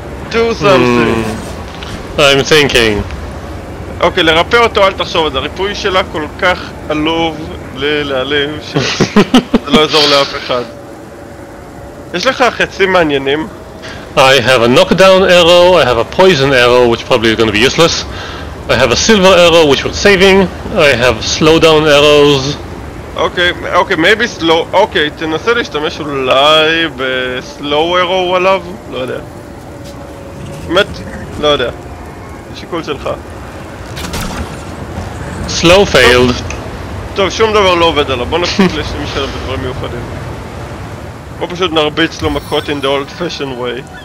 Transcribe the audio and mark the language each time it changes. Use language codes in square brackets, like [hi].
[en] Do something. I'm thinking. [he] אוקיי, לרפא אותו אל תחשוב את זה, הריפוי שלה כל כך עלוב להיעלם שזה לא יעזור לאף אחד. יש לך חצים מעניינים? [en] I have a knockdown arrow, I have a poison arrow which probably is going to be useless, I have a silver arrow which we're saving, I have slowdown arrows. [he] אוקיי, [en] maybe slow, [he] אוקיי, תנסה להשתמש אולי בסלואו ארו עליו? לא יודע. באמת, לא יודע. שיקול שלך. [en] Slow failed. [he] טוב, שום דבר לא עובד עליו, בוא נפסיק להשתמש עליו בדברים מיוחדים. בוא פשוט נרביץ לו מכות [en] in the old fashioned way.